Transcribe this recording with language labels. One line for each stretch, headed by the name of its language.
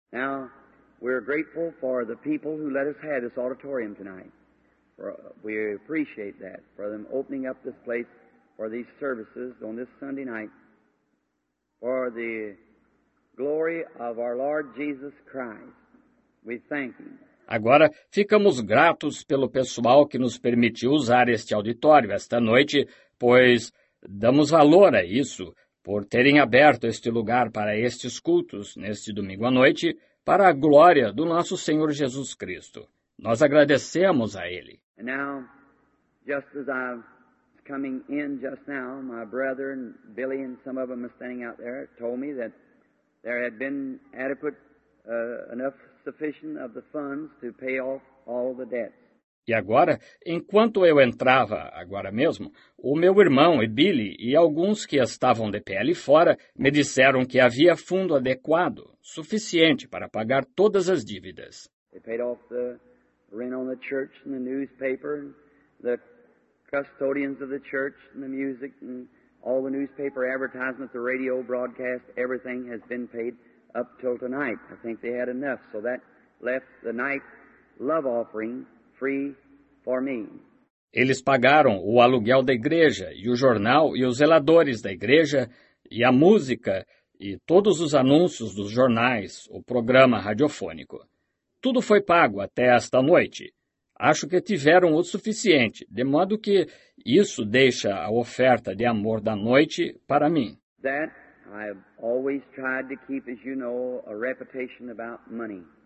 English: Now, we're grateful for the people who let us have this auditorium tonight. We appreciate that, for them opening up this place for these services on this Sunday night, for the glory of our Lord Jesus Christ. We thank him.
Portuguese: Agora, ficamos gratos pelo pessoal que nos permitiu usar este auditório esta noite, pois damos valor a isso, por terem aberto este lugar para estes cultos neste domingo à noite, para a glória do nosso Senhor Jesus Cristo. Nós agradecemos a Ele. E agora,
English: just as I was coming in just now, my brother and Billy and some of them are standing out there told me that there had been adequate enough sufficient of the funds to pay off all the debts.
Portuguese: E agora, enquanto eu entrava, agora mesmo, o meu irmão e Billy e alguns que estavam de pé ali fora me disseram que havia fundo adequado, suficiente para pagar todas as dívidas.
English: They paid off the rent on the church and the newspaper, and the custodians of the church and the music and all the newspaper advertisements, the radio broadcast, everything has been paid up till tonight. I think they had enough, so that left the night love offering free for me.
Portuguese: Eles pagaram o aluguel da igreja e o jornal e os zeladores da igreja e a música e todos os anúncios dos jornais, o programa radiofônico. Tudo foi pago até esta noite. Acho que tiveram o suficiente, de modo que isso deixa a oferta de amor da noite para mim.
English: That I have always tried to keep, as you know, a reputation about money.